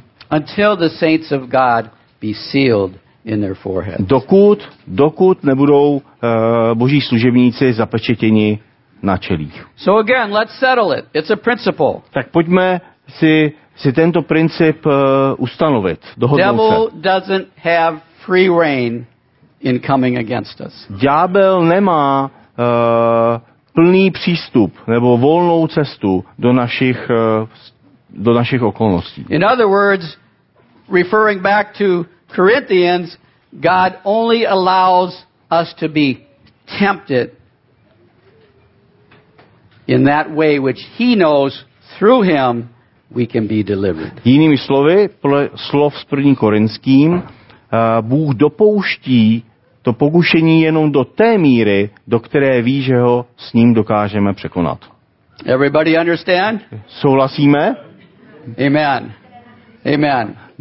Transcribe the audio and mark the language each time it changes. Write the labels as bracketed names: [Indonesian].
[English] Until the saints of God be sealed. In their foreheads. [Czech] Dokud nebudou boží služebníci zapečetěni na čelích. [English] So again, let's settle it. It's a principle. [Czech] Tak pojďme si tento princip ustanovit, dohodnout se. [English] Devil doesn't have free rein in coming against us. [Czech] Ďábel nemá plný přístup nebo volnou cestu do našich okolností. [English] In other words, referring back to Corinthians, God only allows us to be tempted in that way which he knows through him we can be delivered. [Czech] Jinými slovy, podle slov z 1. Korinským, Bůh dopouští to pokušení jenom do té míry, do které ví, že ho s ním dokážeme překonat. [English] Everybody understand? [Czech] Souhlasíme? Amen. Amen.